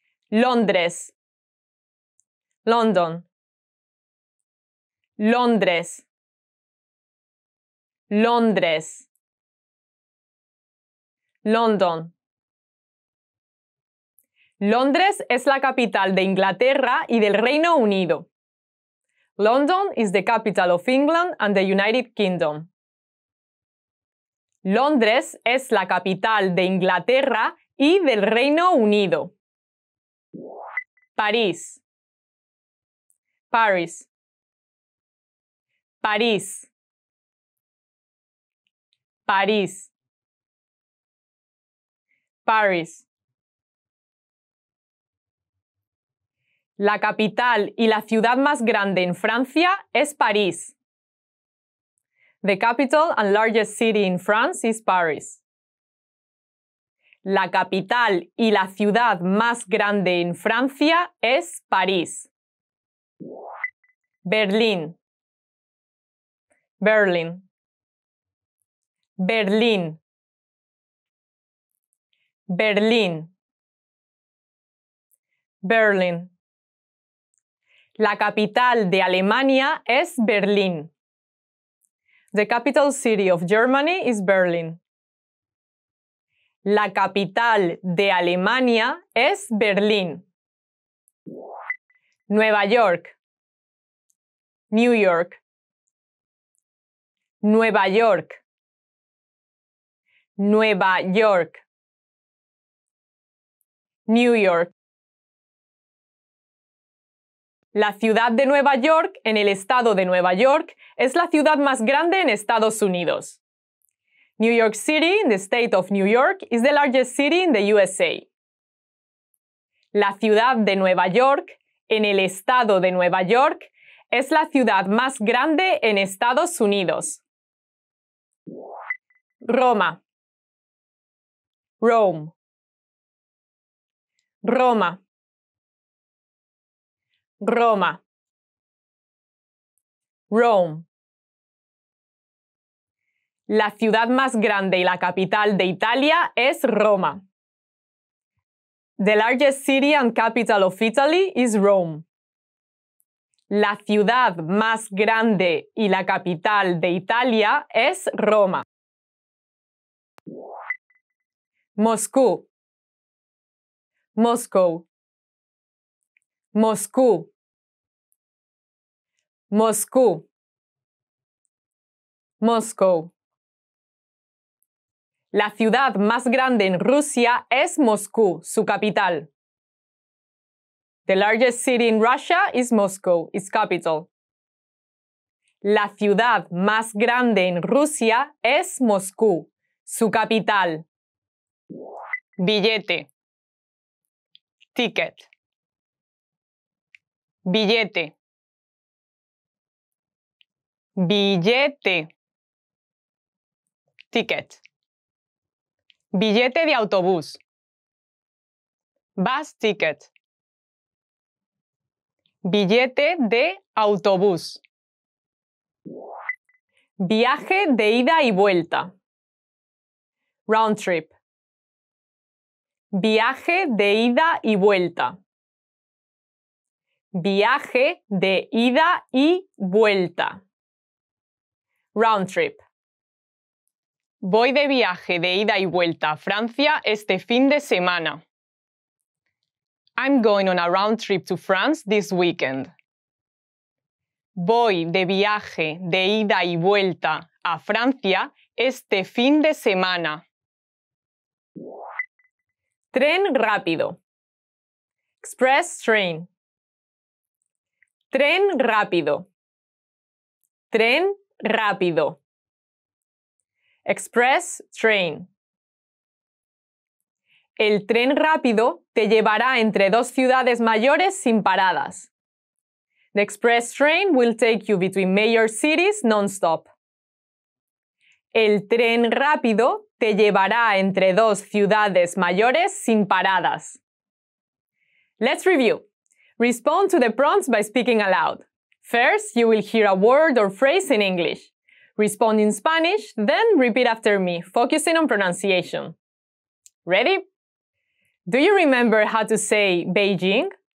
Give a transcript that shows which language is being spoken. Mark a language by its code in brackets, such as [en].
[es] Londres. London. Londres. Londres. [en] London. [es] Londres es la capital de Inglaterra y del Reino Unido. [en] London is the capital of England and the United Kingdom. [es] Londres es la capital de Inglaterra y del Reino Unido. París. Paris. París. París. [en] Paris. [es] La capital y la ciudad más grande en Francia es París. [en] The capital and largest city in France is Paris. [es] La capital y la ciudad más grande en Francia es París. Berlín. Berlín. Berlín. Berlín. Berlín. La capital de Alemania es Berlín. [en] The capital city of Germany is Berlin. [es] La capital de Alemania es Berlín. Nueva York. New York. Nueva York. Nueva York. [en] New York. [es] La ciudad de Nueva York, en el estado de Nueva York, es la ciudad más grande en Estados Unidos. [en] New York City, in the state of New York, is the largest city in the USA. [es] La ciudad de Nueva York, en el estado de Nueva York, es la ciudad más grande en Estados Unidos. Roma. Rome. Roma. Roma. [en] Rome. [es] La ciudad más grande y la capital de Italia es Roma. [en] The largest city and capital of Italy is Rome. [es] La ciudad más grande y la capital de Italia es Roma. Moscú. Moscow. Moscú. Moscú. [en] Moscow. [es] La ciudad más grande en Rusia es Moscú, su capital. [en] The largest city in Russia is Moscow, its capital. [es] La ciudad más grande en Rusia es Moscú, su capital. Billete. Ticket. Billete. Billete. Ticket. Billete de autobús. [en] Bus ticket. [es] Billete de autobús. Viaje de ida y vuelta. [en] Round trip. [es] Viaje de ida y vuelta. Viaje de ida y vuelta. [en] Round trip. [es] Voy de viaje de ida y vuelta a Francia este fin de semana. [en] I'm going on a round trip to France this weekend. [es] Voy de viaje de ida y vuelta a Francia este fin de semana. Tren rápido. [en] Express train. [es] Tren rápido. Tren rápido. [en] Express train. [es] El tren rápido te llevará entre dos ciudades mayores sin paradas. [en] The express train will take you between major cities non-stop. [es] El tren rápido te llevará entre dos ciudades mayores sin paradas. [en] Let's review. Respond to the prompts by speaking aloud. First, you will hear a word or phrase in English. Respond in Spanish, then repeat after me, focusing on pronunciation. Ready? Do you remember how to say Beijing?